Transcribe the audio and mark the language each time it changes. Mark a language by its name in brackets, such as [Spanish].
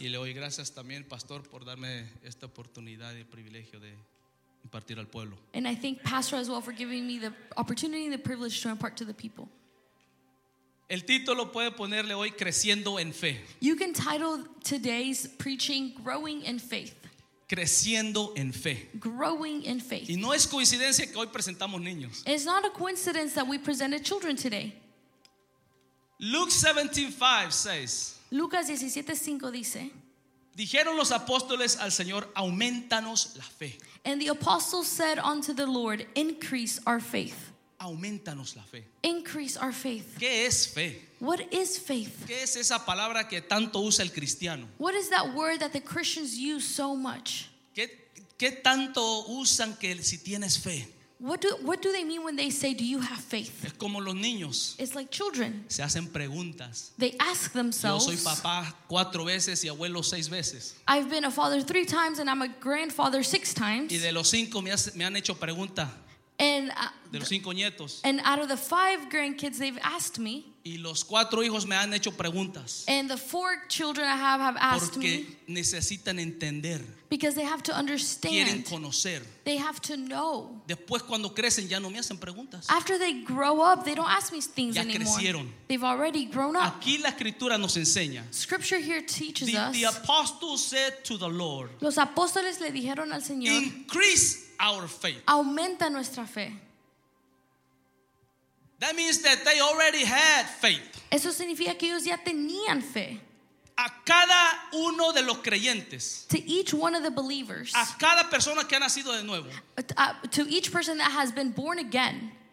[Spanish] Y le doy gracias también, pastor, por darme esta oportunidad y privilegio de impartir al pueblo. [English] And I thank Pastor as well for giving me the opportunity and the privilege to impart to the people. [Spanish] El título puede ponerle hoy creciendo en fe. [English] You can title today's preaching Growing in Faith. [Spanish] Creciendo en fe. [English] Growing in faith. [Spanish] Y no es coincidencia que hoy presentamos niños. [English] It's not a coincidence that we presented children today. Luke 17:5 says. [Spanish] Lucas 17:5 dice. Dijeron los apóstoles al Señor, aumentanos la fe. [English] And the apostles said unto the Lord, increase our faith. [Spanish] Aumentanos la fe. [English] Increase our faith. [Spanish] ¿Qué es fe? [English] What is faith? [Spanish] ¿Qué es esa palabra que tanto usa el cristiano? [English] What is that word that the Christians use so much? [Spanish] ¿Qué tanto usan que si tienes fe? [English] What do they mean when they say, do you have faith? [Spanish] Es como los niños. [English] It's like children. [Spanish] Se hacen preguntas. [English] They ask themselves. [Spanish] Yo soy papá cuatro veces y abuelo seis veces. [English] I've been a father three times and I'm a grandfather six times. [Spanish] Y de los cinco me han hecho pregunta. [English] And, [Spanish] de los cinco nietos. [English] And out of the five grandkids they've asked me. [Spanish] Y los cuatro hijos me han hecho preguntas. [English] And the four children I have asked [Spanish] porque [English] me. [Spanish] Porque necesitan entender. [English] Because they have to understand. [Spanish] Quieren conocer. [English] They have to know. [Spanish] Después cuando crecen ya no me hacen preguntas. [English] After they grow up, they don't ask me things [Spanish] ya [English] anymore. [Spanish] Ya crecieron. [English] They've already grown up. [Spanish] Aquí la escritura nos enseña. [English] Scripture here teaches the, us. The apostles said to the Lord. [Spanish] Los apóstoles le dijeron al Señor. [English] Increase our faith. [Spanish] Aumenta nuestra fe. [English] That means that they already had faith. [Spanish] Eso significa que ellos ya tenían fe. A cada uno de los creyentes. [English] To each one of the believers. [Spanish] A cada persona que ha nacido de nuevo. [English] To each person that has been born again.